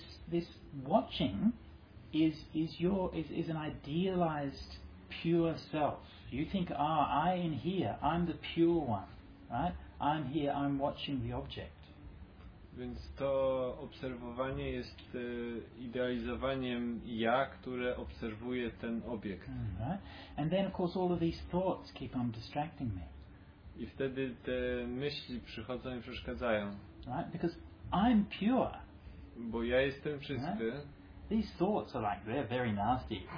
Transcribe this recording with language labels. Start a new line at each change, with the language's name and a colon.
English: This watching is an idealized pure self. You think, I in here, I'm the pure one, right? I'm here, I'm watching the object.
Polish: Więc to obserwowanie jest idealizowaniem ja, które obserwuje ten obiekt.
English: And then of course all of these thoughts keep on distracting me.
Polish: I wtedy te myśli przychodzą i przeszkadzają.
English: Right? Because I'm pure.
Polish: Bo ja jestem czysty.
English: Right? These thoughts are like, they're very nasty.